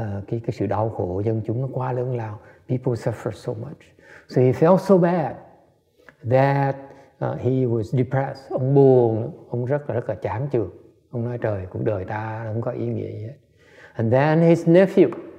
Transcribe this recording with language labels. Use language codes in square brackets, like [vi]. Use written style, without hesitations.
[vi] Cái sự đau khổ dân chúng nó quá lớn lao. [en] People suffer so much. So he felt so bad that he was depressed. [vi] Ông buồn, ông rất là chán chường. Ông nói, trời, cuộc đời ta không có ý nghĩa gì hết. [en] And then his nephew,